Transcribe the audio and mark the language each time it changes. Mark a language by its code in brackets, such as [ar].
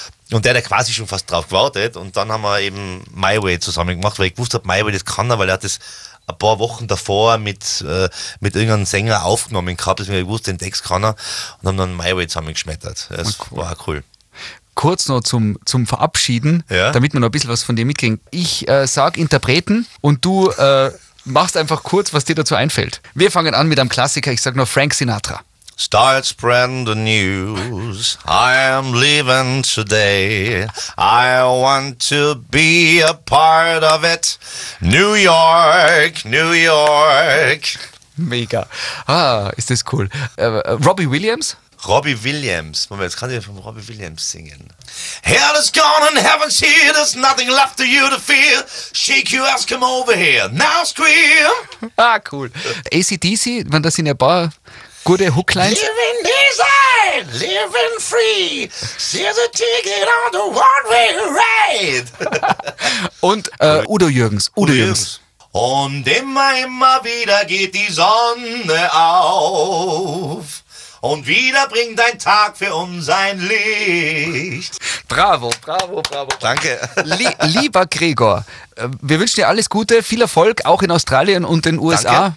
[de] Und der hat quasi schon fast drauf gewartet. Und dann haben wir eben My Way zusammen gemacht, weil ich gewusst habe, My Way, das kann er, weil er hat das ein paar Wochen davor mit irgendeinem Sänger aufgenommen gehabt, deswegen wusste ich, den Text kann er. Und haben dann My Way zusammen geschmettert. Das cool. War cool. Kurz noch zum Verabschieden, ja? Damit wir noch ein bisschen was von dir mitkriegen. Ich sage Interpreten und du... Machst einfach kurz, was dir dazu einfällt. Wir fangen an mit einem Klassiker, ich sag nur Frank Sinatra. [en] Start spreading the news, I am leaving today, I want to be a part of it, New York, New York. [de] Mega, ist das cool. Robbie Williams? Robbie Williams, Moment, jetzt kann ich von Robbie Williams singen. [en] Hell is gone and heaven's here, there's nothing left for you to fear. Shake your ass, come over here, now scream. [de] Ah, cool. AC/DC, wenn das sind ja ein paar gute Hooklines. [en] Living design, living free, see the ticket on the one-way ride. [de] Und Udo Jürgens. Und immer wieder geht die Sonne auf. Und wieder bringt dein Tag für uns ein Licht. Bravo. Danke. Lieber Gregor, wir wünschen dir alles Gute, viel Erfolg auch in Australien und den USA. Danke.